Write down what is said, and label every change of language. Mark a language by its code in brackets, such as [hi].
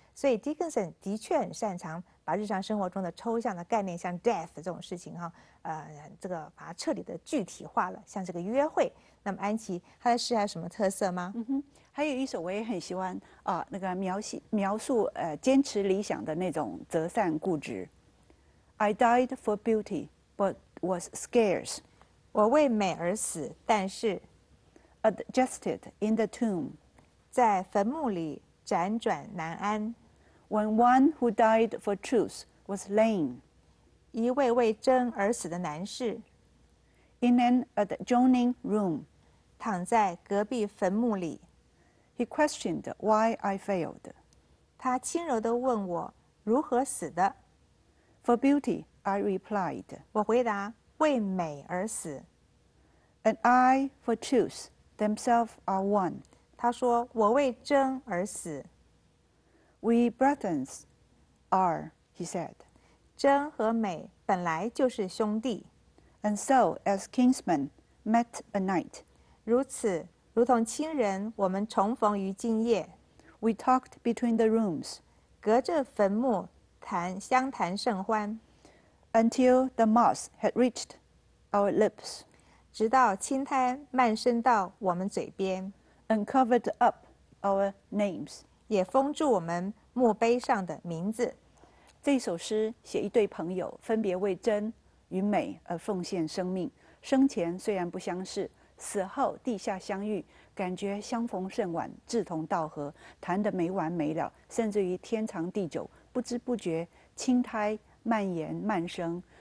[zh] 所以 Dickinson 的确很擅长把日常生活中的抽象的概念，像 death 这种事情哈，这个把它彻底的具体化了，像这个约会。那么安琪，他的诗还有什么特色吗？嗯哼，还有一首我也很喜欢啊、那个描述坚持理想的那种折扇固执。 [en] I died for beauty, but was scarce. [zh] 我为美而死，但是 [en] adjusted in the tomb, [zh] 在坟墓里辗转难安。 [en] When one who died for truth was lame, [zh] 一位为真而死的男士 [en] in an adjoining room, [zh] 躺在隔壁坟墓里 [en] he questioned why I failed. [zh] 他轻柔地问我如何死的。 [en] For beauty, I replied. [zh] 我回答为美而死。 [en] And I for truth, themselves are one. [zh] 他说我为真而死。 [en] We brethrens are, he said. [zh] 真和美本来就是兄弟。 [en] And so, as kinsmen, met a night. [zh] 如此，如同亲人，我们重逢于今夜。 [en] We talked between the rooms. [zh] 隔着坟墓谈相谈甚欢。 [en] Until the moss had reached our lips. [zh] 直到青苔蔓生到我们嘴边。 [en] And covered up our names. [zh] 也封住我们墓碑上的名字。这首诗写一对朋友分别为真与美而奉献生命，生前虽然不相识，死后地下相遇，感觉相逢甚晚，志同道合，谈得没完没了，甚至于天长地久，不知不觉青苔蔓延蔓生。